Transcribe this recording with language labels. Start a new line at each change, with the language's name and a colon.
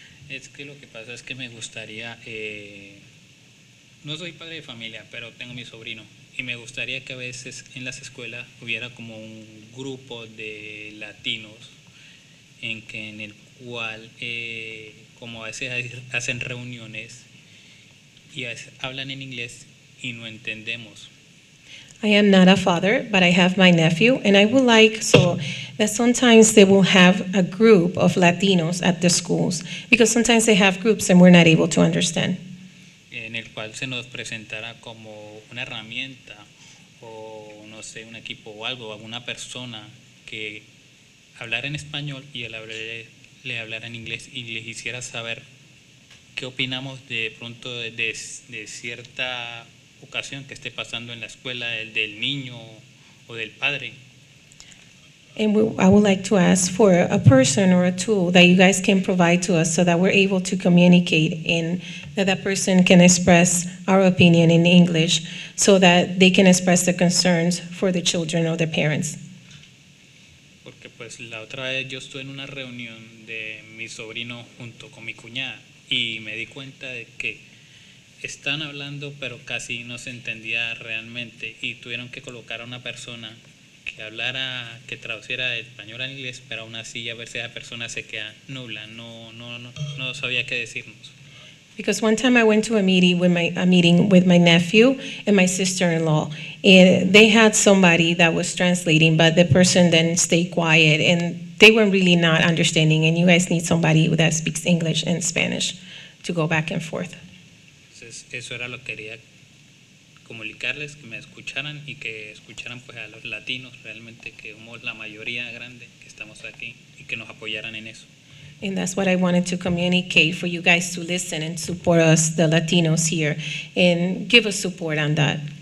Spanish: Es que lo que pasa es que me gustaría, no soy padre de familia, pero tengo mi sobrino, y me gustaría que a veces en las escuelas hubiera como un grupo de latinos en que en el cual, como a veces hacen reuniones y a veces hablan en inglés y no entendemos.
English: I am not a father, but I have my nephew, and I would like so that sometimes they will have a group of Latinos at the schools, because sometimes they have groups and we're not able to understand.
Spanish: En el cual se nos presentara como una herramienta o no sé, un equipo o algo, alguna persona que hablara en español y él le hablara en inglés y le hiciera saber qué opinamos de pronto de cierta ocasión que esté pasando en la escuela del niño o del padre.
English: And I would like to ask for a person or a tool that you guys can provide to us so that we're able to communicate and that person can express our opinion in English so that they can express the concerns for the children or their parents.
Spanish: Porque pues la otra vez yo estuve en una reunión de mi sobrino junto con mi cuñada y me di cuenta de que están hablando, pero casi no se entendía realmente, y tuvieron que colocar a una persona que hablara, que traduciera de español a inglés, pero aún así a veces la persona se queda nula, no sabía qué decirnos.
English: Because one time I went to a meeting with my nephew and my sister-in-law, and they had somebody that was translating, but the person then stayed quiet and they weren't really not understanding, and you guys need somebody that speaks English and Spanish to go back and forth.
Spanish: Eso era lo que quería comunicarles, que me escucharan y que escucharan pues a los latinos realmente, que somos la mayoría grande que estamos aquí y que nos apoyaran en eso.
English: And that's what I wanted to communicate, for you guys to listen and support us, the Latinos here, and give us support on that.